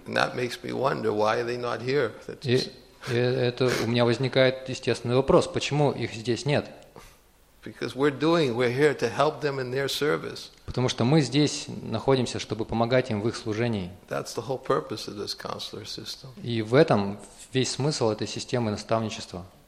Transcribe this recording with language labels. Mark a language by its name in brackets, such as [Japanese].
[English] And that makes me wonder why they're not here. [Russian] И это у меня возникает естественный вопрос, почему их здесь нет? [English] Because we're here to help them in their service. [Russian] Потому что мы здесь находимся, чтобы помогать им в их служении. [English] That's the whole purpose of this counselor system. [Russian] И в этом весь смысл этой системы наставничества.